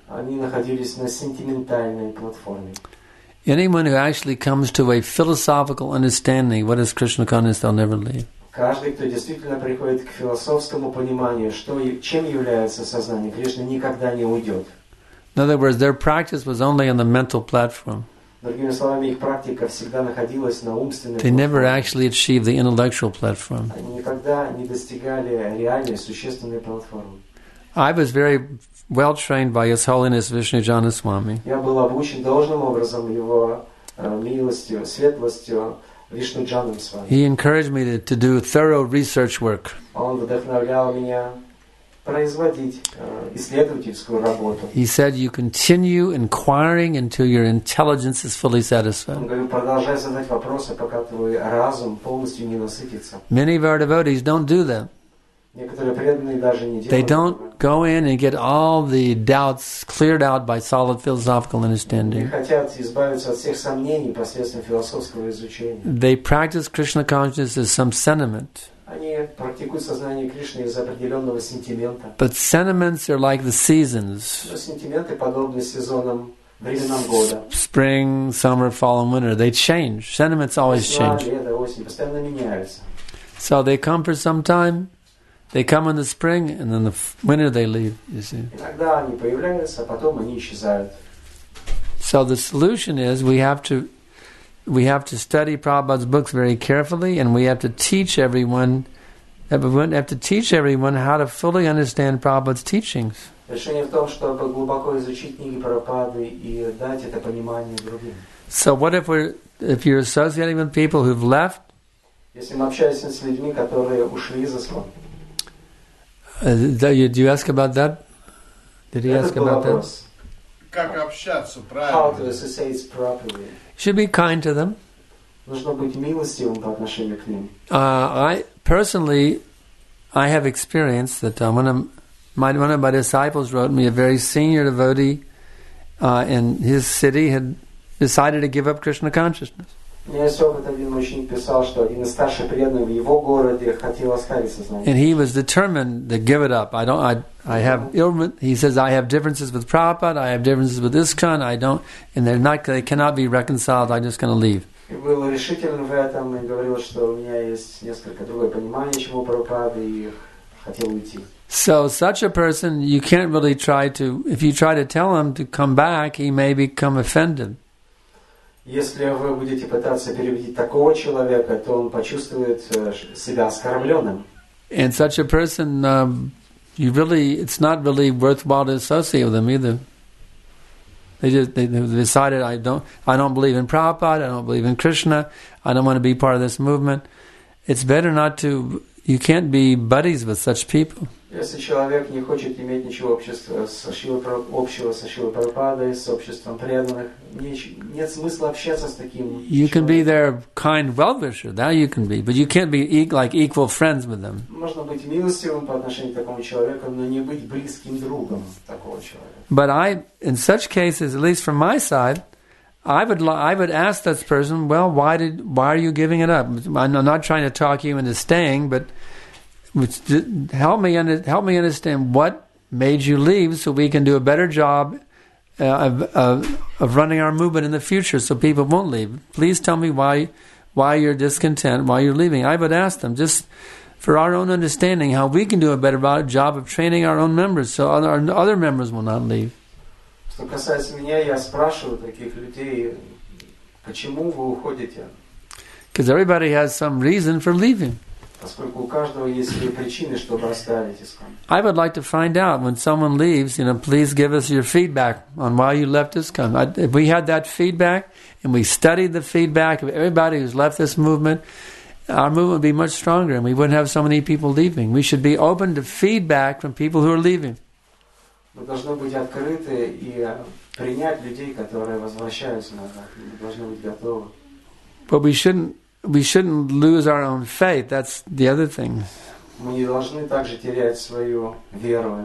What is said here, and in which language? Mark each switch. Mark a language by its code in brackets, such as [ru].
[ru] Они находились на сентиментальной платформе. [en] Anyone who actually comes to a philosophical understanding what is Krishna consciousness, they'll never leave. [ru] Каждый, кто действительно приходит к философскому пониманию, что чем является сознание Кришны, никогда не уйдет. [en] In other words, their practice was only on the mental platform. [ru] Другими словами, их практика всегда находилась на умственной платформе. [en] They never actually achieved the intellectual platform. [ru] Они никогда не достигали реальной, существенной платформы. [en] I was very well trained by His Holiness Vishnujana Swami. [ru] Я был обучен должным образом Его милостью, светлостью Вишнуджаном Свами. [en] He encouraged me to do thorough research work. [ru] Он вдохновлял меня производить исследовательскую работу. [en] He said, "You continue inquiring until your intelligence is fully satisfied." [ru] Он говорит, продолжай задавать вопросы, пока твой разум полностью не насытится. [en] Many of our devotees don't do that. [ru] Некоторые преданные даже не делают. [en] They don't go in and get all the doubts cleared out by solid philosophical understanding. [ru] Они хотят избавиться от всех сомнений посредством философского изучения. [en] They practice Krishna consciousness as some sentiment. [ru] Они практикуют сознание Кришны из определенного сентимента. [en] But sentiments are like the seasons. [ru] Но сентименты подобны сезонам, временам года. [en] Spring, summer, fall, and winter. They change. Sentiments always change. [ru] Весна, лето, осень постоянно меняются. [en] So they come for some time. They come in the spring, and then the winter they leave. You see. [ru] Иногда они появляются, а потом они исчезают. [en] So the solution is we have to study Prabhupada's books very carefully, and we have to teach everyone how to fully understand Prabhupada's teachings. [ru] Решение в том, чтобы глубоко изучить книги Прабхупады и дать это понимание другим. [en] So what if you're associating with people who've left? [ru] Если мы общаемся с людьми, которые ушли из ISKCON. [en] Did you ask about that? Did he ask about that? [ru] Как общаться правильно? [en] How to associate properly? Should be kind to them. [ru] Нужно быть милостивым по отношению к ним. [en] I personally have experienced that one of my disciples wrote me, a very senior devotee in his city had decided to give up Krishna consciousness. And he was determined to give it up. He says I have differences with Prabhupada, I have differences with ISKCON, they cannot be reconciled, I'm just gonna leave. [ru] И был решителен в этом и говорил, что у меня есть несколько другое понимание, чем у Прабхупады, и хотел уйти. [en] So such a person, you can't really try to, if you try to tell him to come back, he may become offended. [ru] Если вы будете пытаться переубедить такого человека, то он почувствует себя оскорбленным. [en] And such a person, it's not really worthwhile to associate with them either. They decided, I don't believe in Prabhupada, I don't believe in Krishna, I don't want to be part of this movement. It's better not to. You can't be buddies with such people. [ru] Если человек не хочет иметь ничего общего со Шрилой Прабхупадой, с обществом преданных, нет смысла общаться с таким you [en] You can be their kind well-wisher, that you can be, but you can't be like equal friends with them. [ru] Можно быть милостивым по отношению к такому человеку, но не быть близким другом такого человека. [en] But I, in such cases, at least from my side, I would ask this person, well, why are you giving it up? I'm not trying to talk you into staying, but Help me understand what made you leave so we can do a better job of running our movement in the future so people won't leave. Please tell me why you're discontent, why you're leaving. I would ask them just for our own understanding how we can do a better job of training our own members so our other members will not leave. [ru] Что касается меня, я спрашиваю таких людей, почему вы уходите? [en] Because everybody has some reason for leaving. [ru] Поскольку у каждого есть свои причины, чтобы оставить. [en] I would like to find out when someone leaves, you know, please give us your feedback on why you left ISKCON. If we had that feedback and we studied the feedback of everybody who's left this movement, our movement would be much stronger and we wouldn't have so many people leaving. We should be open to feedback from people who are leaving. [ru] Мы должны быть открыты и принять людей, которые возвращаются назад. Мы должны быть готовы. [en] But we shouldn't lose our own faith. That's the other thing. [ru] Мы не должны также терять свою веру.